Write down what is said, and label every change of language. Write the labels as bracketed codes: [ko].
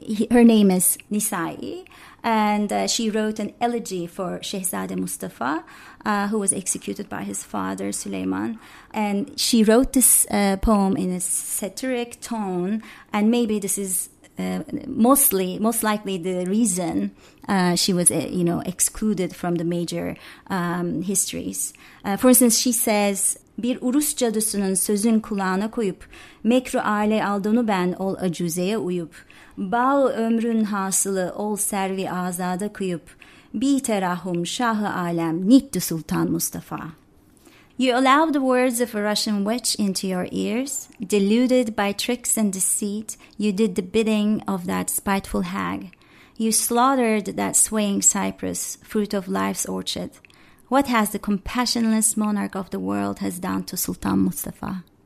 [en] Her name is Nisai, and she wrote an elegy for Şehzade Mustafa, who was executed by his father, Süleyman. And she wrote this poem in a satiric tone, and maybe this is most likely the reason she was, you know, excluded from the major histories. For instance, she says, [tr] "Bir Urus cadısının sözün kulağına koyup, mekru aile aldonu ben ol acuzeye uyup, bağ ömrün hasılı ol servi azada kuyup, bi terahum şahı alem nittü Sultan Mustafa." [en] You allow the words of a Russian witch into your ears. Deluded by tricks and deceit, you did the bidding of that spiteful hag. You slaughtered that swaying cypress, fruit of life's orchard. What has the compassionless monarch of the world has done to Sultan Mustafa?